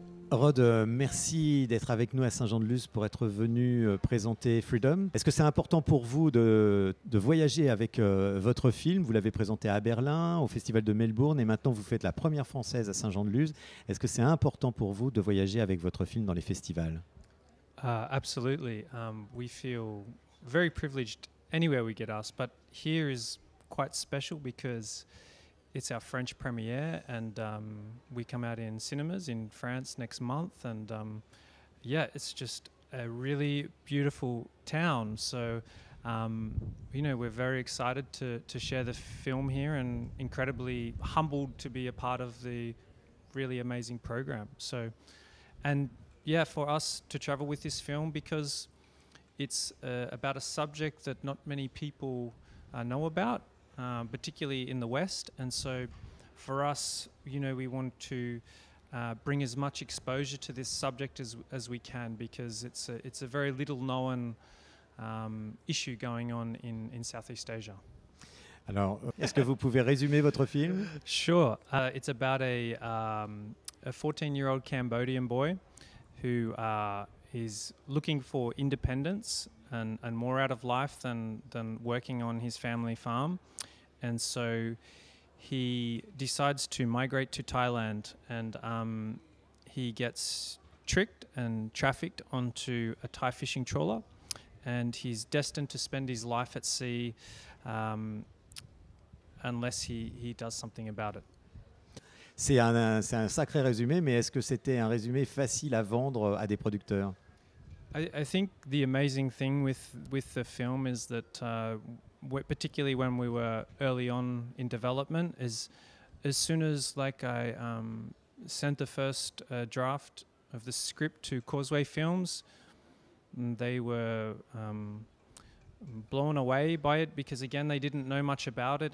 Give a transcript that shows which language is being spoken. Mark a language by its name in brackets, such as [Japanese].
[French] Rodd, merci d'être avec nous à Saint-Jean-de-Luz pour être venu présenter Freedom. Est-ce que c'est important pour vous de voyager avec votre film ? Vous l'avez présenté à Berlin, au Festival de Melbourne, et maintenant vous faites la première française à Saint-Jean-de-Luz. Est-ce que c'est important pour vous de voyager avec votre film dans les festivals ? [English] Absolutely. We feel very privileged anywhere we get asked, but here is quite special because it's our French premiere, and we come out in cinemas in France next month. And yeah, it's just a really beautiful town. So, you know, we're very excited to share the film here and incredibly humbled to be a part of the really amazing program. So, and yeah, for us to travel with this film, because it's about a subject that not many people know about, particularly in the West. And so for us, you know, we want to bring as much exposure to this subject as we can, because it's a very little known issue going on in Southeast Asia. [French] Alors, est-ce que vous pouvez résumer votre film? [English] Sure. It's about a 14-year-old Cambodian boy who is looking for independence and more out of life than working on his family farm. And so he decides to migrate to Thailand, and he gets tricked and trafficked onto a Thai fishing trawler, and he's destined to spend his life at sea unless he does something about it. [French] C'est un sacré résumé, mais est-ce que c'était un résumé facile à vendre à des producteurs? [English] I think the amazing thing with the film is that particularly when we were early on in development, is as soon as like I sent the first draft of the script to Causeway Films, they were blown away by it, because again, they didn't know much about it.